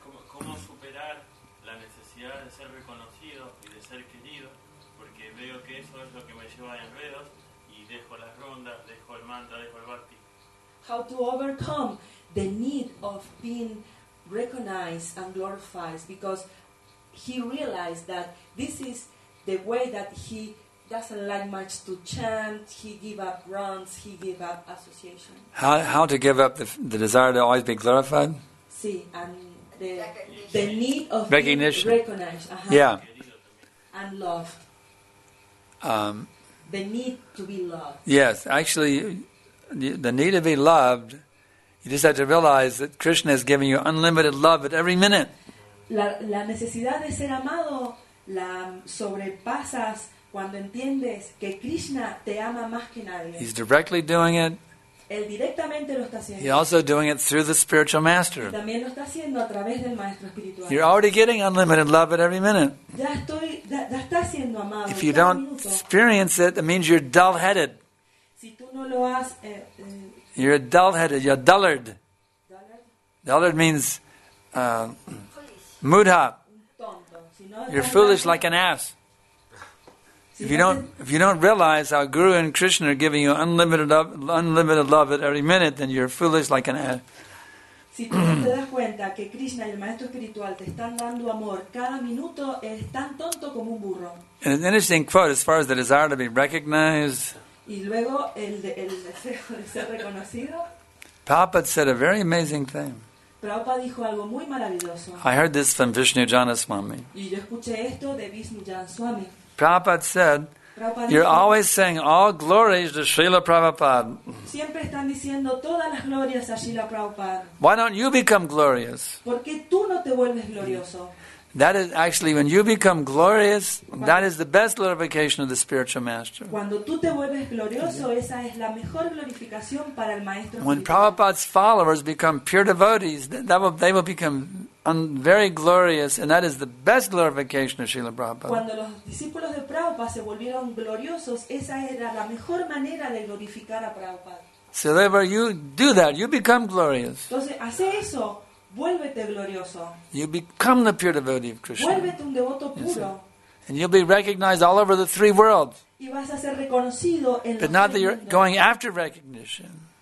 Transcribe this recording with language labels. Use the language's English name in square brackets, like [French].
[Spanish] ¿Cómo superar la necesidad de ser reconocido y de ser querido? Porque veo que eso es lo que me lleva a enredos y dejo las rondas, dejo el mantra, dejo el bhakti. [English] How to overcome the need of being recognized and glorified? Because he realized that this is the way that he doesn't like much to chant, he give up runs, he give up association. How to give up the desire to always be glorified? Sí, and the need of recognition, being recognized. Uh-huh. Yeah. And loved. The need to be loved. Yes, actually, the need to be loved, you just have to realize that Krishna is giving you unlimited love at every minute. [Spanish] La necesidad de ser amado la sobrepasas cuando entiendes que Krishna te ama más que nadie, [English] he's directly doing it. [Spanish] Él directamente lo está haciendo. [English] He's also doing it through the spiritual master. [Spanish] Y también lo está haciendo a través del maestro espiritual. [English] You're already getting unlimited love at every minute. [Spanish] Ya está siendo amado. [English] If you don't experience it, it means you're dull-headed. [Spanish] Si tú no lo has, [English] you're dull-headed. You're dullard. Dullard means mudha. You're foolish like an ass. If you don't realize how Guru and Krishna are giving you unlimited love at every minute, then you're foolish like an ass. [Spanish] Si tú no te das cuenta que Krishna y el maestro espiritual te están dando amor cada minuto, eres tan tonto como un burro. [English] And an interesting quote as far as the desire to be recognized. [Spanish] Y luego el deseo de ser reconocido. [English] Prabhupada said a very amazing thing. [Spanish] Prabhupada dijo algo muy maravilloso. [English] I heard this from Vishnu Janaswamy. [Spanish] Y yo escuché esto de Vishnu Janaswamy. [English] Prabhupada said, you're always saying all glories to Srila Prabhupada. [Spanish] Siempre están diciendo todas las glorias a Srila Prabhupada. [English] Why don't you become glorious? [Spanish] ¿Por qué tú no te vuelves glorioso? [English] That is actually, when you become glorious, that is the best glorification of the spiritual master. [Spanish] Cuando tú te vuelves glorioso, esa es la mejor glorificación para el maestro. [English] When Prabhupada's followers become pure devotees, they will become very glorious, and that is the best glorification of Srila Prabhupada. [Spanish] Cuando los discípulos de Prabhupada se volvieron gloriosos, esa era la mejor manera de glorificar a Prabhupada. [English] So therefore, you do that, you become glorious. [Spanish] Entonces, hace eso. Vuélvete glorioso. [English] You become the pure devotee of Krishna. [Spanish] Vuélvete un devoto puro. [English] And you'll be recognized all over the three worlds. [Spanish] Y vas a ser reconocido en [English] but not that you're going after recognition.